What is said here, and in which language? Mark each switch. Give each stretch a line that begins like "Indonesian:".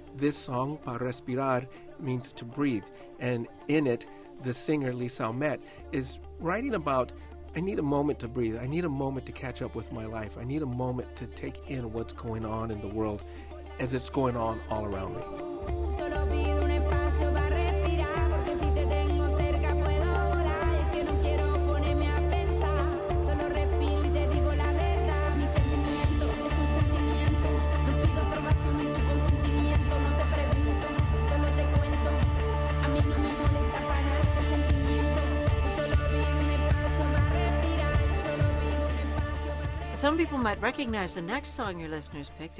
English: This song, Para Respirar, means to breathe. And in it, the singer, Lisa Almet, is writing about, I need a moment to breathe. I need a moment to catch up with my life. I need a moment to take in what's going on in the world as it's going on all around me.
Spanish: Solo pido un espacio para respirar, porque si te tengo cerca puedo volar. Es que no quiero ponerme a pensar. Solo respiro y te digo la verdad. Mi sentimiento es un sentimiento. No pido aprobación en tu consentimiento. No te pregunto, solo te cuento. A mí no me molesta para este sentimiento. Yo solo pido un espacio para respirar. Yo solo pido un espacio para respirar.
English: Some people might recognize the next song your listeners picked.